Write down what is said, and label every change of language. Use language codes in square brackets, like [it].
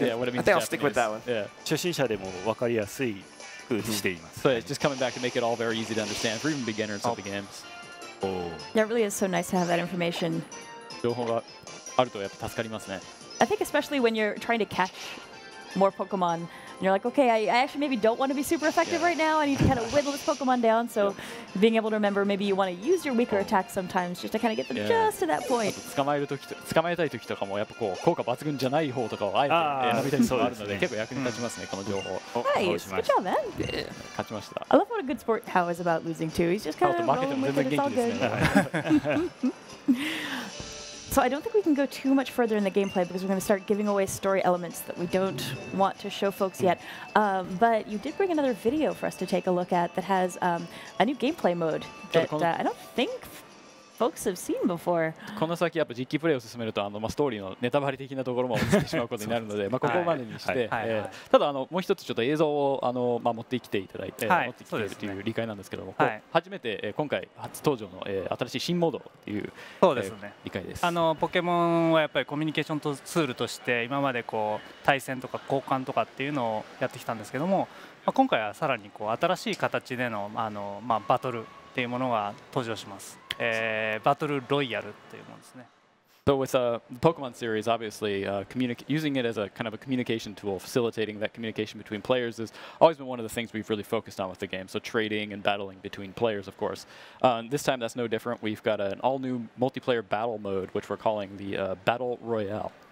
[en] Yeah, what it means. I think I'll stick Japanese. With that one. Yeah. [ja] 初心者でも分かりやすくしています。 [en] So just coming back to make it all very easy to understand for even beginners of the games. Oh. Yeah, it really is so nice to have that information. [ja] 情報があるとやっぱ助かりますね。 [en] I think especially when you're trying to catch more Pokemon. You're like, okay, I actually maybe don't want to be super effective right now. I need to kind of whittle this Pokemon down. So being able to remember maybe you want to use your weaker attack sometimes just to kind of get them just to that point. [ja] 捕まえたい時とかもやっぱこう効果抜群じゃない方とかをあえて選びたいそうあるので結構役に立ちますね、この情報。 [en] Nice. Good job, man. [ja] 勝ちました。 [en] I love what a good sport Hao is about losing too. He's just kind of rolling with it. It's all good. So I don't think we can go too much further in the gameplay because we're going to start giving away story elements that we don't want to show folks yet. But you did bring another video for us to take a look at that has a new gameplay mode that I don't think folks have seen before. [ja] この先やっぱ実機プレイを進めるとあのまあストーリーのネタバレ的なところも落ちてしまうことになるので、まあここまでにして、ただあのもう一つちょっと映像をあのまあ持ってきていただいて、はい、持ってきているという理解なんですけども、はい、初めて今回初登場の新しい新モードという、そうですね、理解です。あのポケモンはやっぱりコミュニケーションとツールとして今までこう対戦とか交換とかっていうのをやってきたんですけども、まあ、今回はさらにこう新しい形でのあのまあバトルっていうものが登場します。 Battle Royale っていうものですね。 [en] So with the Pokemon series, obviously using it as a kind of a communication tool, facilitating that communication between players has always been one of the things we've really focused on with the game. So trading and battling between players, of course. This time that's no different. We've got an all-new multiplayer battle mode, which we're calling the Battle Royale.